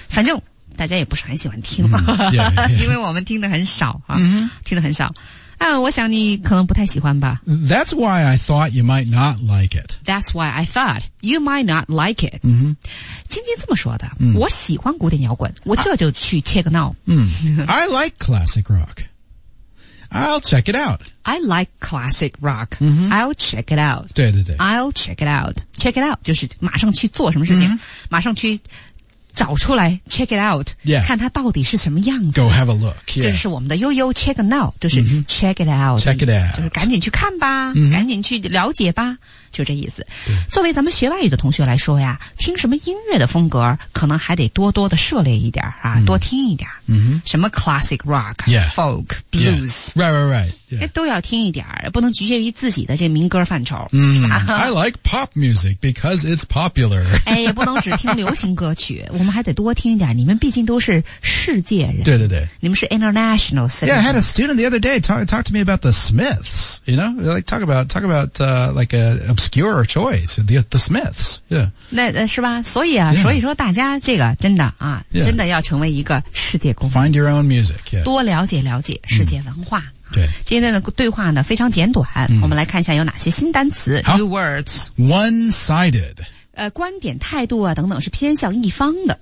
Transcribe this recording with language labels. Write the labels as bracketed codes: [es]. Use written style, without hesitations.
[zh] 反正大家也不是很喜欢听嘛， [en] yeah. [zh] 因为我们听的很少啊， [en] mm-hmm. [zh] 听的很少。我想你可能不太喜欢吧。 [en] That's why I thought you might not like it. That's why I thought you might not like it. [zh] 嗯，晶晶这么说的。我喜欢古典摇滚，我这就去切个闹。 I like classic rock. I'll check it out. I like classic rock. I'll check it out. 对对对。 [en] I'll check it out. Check it out [zh] 就是马上去做什么事情，马上去。找出来 [en] check it out、 yeah. [zh] 看它到底是什么样子 [en] go have a look、yeah. [zh] 就是我们的悠悠 [en] check now [zh] 就是 [en] check it out check it out [zh] 就是赶紧去看吧、赶紧去了解吧就这意思作为咱们学外语的同学来说呀听什么音乐的风格可能还得多多的涉猎一点啊， mm-hmm. 多听一点、 [en] mm-hmm. [zh] 什么 classic rock、 [en] yeah. folk blues、 yeah. right right right、yeah. [zh] 都要听一点不能局限于自己的这民歌范畴、 [en] I like pop music because it's popular [zh] 哎，也不能只听流行歌曲我们还得多听一点你们毕竟都是世界人对对对你们是 [en] international citizens yeah I had a student the other day talk to me about the Smiths you know like talk about like a obscure choice the Smiths yeah [zh] 那是吧所以啊、yeah. 所以说大家这个真的啊、 [en] yeah. [zh] 真的要成为一个世界公民 [en] find your own music、yeah. [zh] 多了解了解世界文化、对今天的对话呢非常简短、我们来看一下有哪些新单词 [en] new words one sided [zh] 观点态度啊等等是偏向一方的。